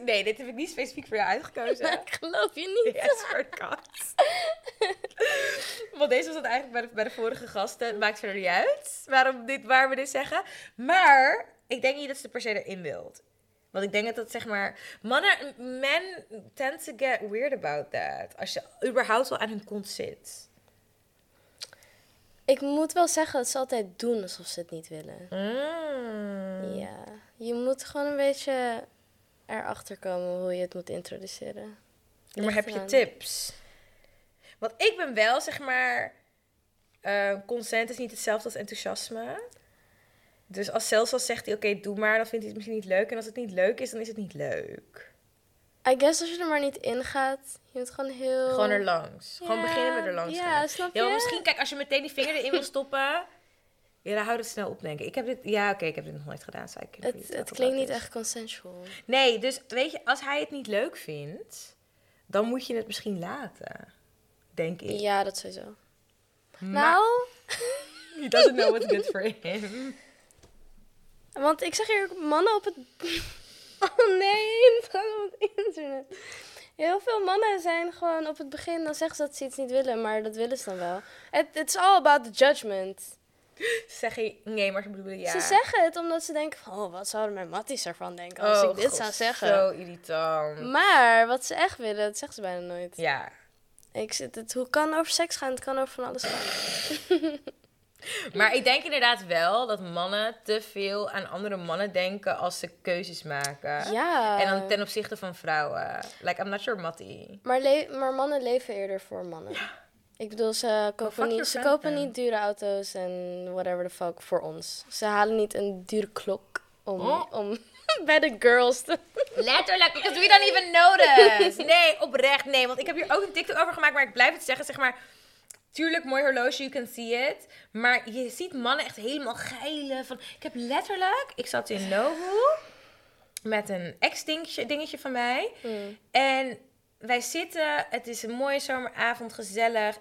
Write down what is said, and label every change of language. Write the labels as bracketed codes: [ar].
[nl] Nee, dit heb ik niet specifiek voor jou uitgekozen. Ik geloof je niet. [en] Yes, for God. [nl] Want deze was het eigenlijk bij de vorige gasten. Maakt verder niet uit waarom we dit zeggen. Maar ik denk niet dat ze per se erin wilt. Want ik denk dat zeg maar... [en] Men tend to get weird about that. [nl] Als je überhaupt wel aan hun kont zit. Ik moet wel zeggen dat ze altijd doen alsof ze het niet willen. Mm. Ja. Je moet gewoon een beetje erachter komen hoe je het moet introduceren. Ja, maar heb je tips? Want ik ben wel, zeg maar... consent is niet hetzelfde als enthousiasme. Dus als zelfs al zegt hij, oké, doe maar, dan vindt hij het misschien niet leuk. En als het niet leuk is, dan is het niet leuk. [en] I guess [nl] als je er maar niet in gaat, je moet gewoon heel... Gewoon er langs. [en] Yeah. [nl] Gewoon beginnen met er langs gaan. [en] Yeah, [nl] snap je? Ja, misschien, kijk, als je meteen die vinger erin wil stoppen... Ja, dan houd het snel op, denk ik. Ik heb dit nog nooit gedaan. Het klinkt niet echt consensual. Nee, dus weet je, als hij het niet leuk vindt, dan moet je het misschien laten. Denk ik. Ja, dat sowieso. Nou? [en] He doesn't know what's good for him. [nl] Want ik zeg hier mannen op het... Oh nee, van het internet. Heel veel mannen zijn gewoon op het begin, dan zeggen ze dat ze iets niet willen, maar dat willen ze dan wel. [en] It's all about the judgment. [nl] Zeg je, nee, maar ze bedoelen ja. Ze zeggen het omdat ze denken van, oh, wat zouden mijn matties ervan denken als ik dit zou zeggen. Zo irritant. Maar wat ze echt willen, dat zeggen ze bijna nooit. Ja. Hoe kan over seks gaan? Het kan over van alles gaan. Maar ik denk inderdaad wel dat mannen te veel aan andere mannen denken als ze keuzes maken. Ja. En dan ten opzichte van vrouwen. [en] Like, I'm not your mattie. [nl] Maar mannen leven eerder voor mannen. Ja. Ik bedoel, ze kopen niet dure auto's en [en] whatever the fuck [nl] voor ons. Ze halen niet een dure klok om bij de girls te... [en] Letterlijk, because we don't even notice. [nl] Nee, oprecht, nee. Want ik heb hier ook een TikTok over gemaakt, maar ik blijf het zeggen, zeg maar... Tuurlijk, mooi horloge, [en] you can see it. [nl] Maar je ziet mannen echt helemaal geilen. Van, ik heb letterlijk... Ik zat in Nobu met een ex-dingetje van mij. Mm. En wij zitten... Het is een mooie zomeravond, gezellig.